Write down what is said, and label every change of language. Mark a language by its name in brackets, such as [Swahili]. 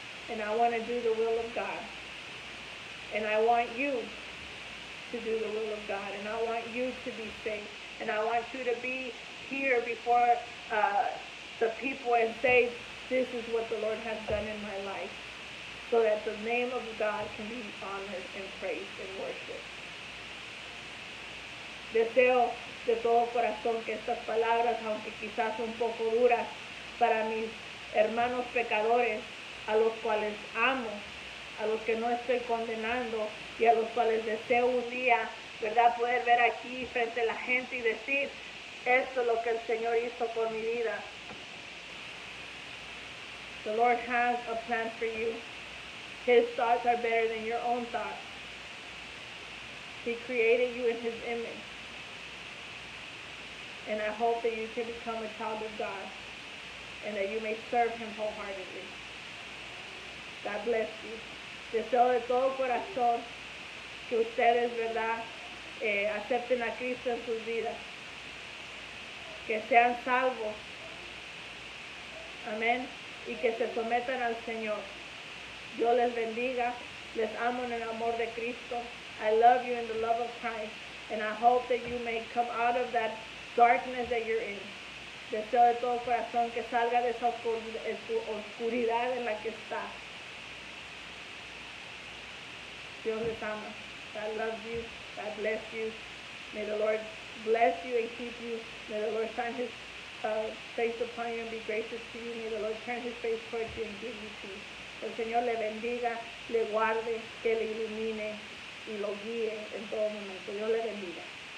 [English] And I want to do the will of God. And I want you to do the will of God. And I want you to be saved. And I want you to be here before the people and say, this is what the Lord has done in my life, so that the name of God can be honored and praised and worshiped. [Spanish] Deseo de todo corazón que estas palabras, aunque quizás un poco duras, para mis hermanos pecadores, a los cuales amo, a los que no estoy condenando, y a los cuales deseo un día, ¿verdad?, poder ver aquí frente a la gente y decir, esto es lo que el Señor hizo por mi vida. [English] The Lord has a plan for you. His thoughts are better than your own thoughts. He created you in his image. And I hope that you can become a child of God and that you may serve him wholeheartedly. God bless you. [Spanish] Deseo de todo corazón que ustedes, verdad, acepten a Cristo en sus vidas. Que sean salvos. Amén. Y que se sometan al Señor. Dios les bendiga. Les amo en el amor de Cristo. [English] I love you in the love of Christ. And I hope that you may come out of that darkness that you're in. [Spanish] Deseo de todo corazón que salga de esa oscuridad en la que está. Dios les ama. [English] God loves you. God bless you. May the Lord bless you and keep you. May the Lord shine his face upon you and be gracious to you. May the Lord turn his face towards you and give you peace. [Spanish] Que el Señor le bendiga, le guarde, que le ilumine y lo guíe en todo momento. Dios le bendiga.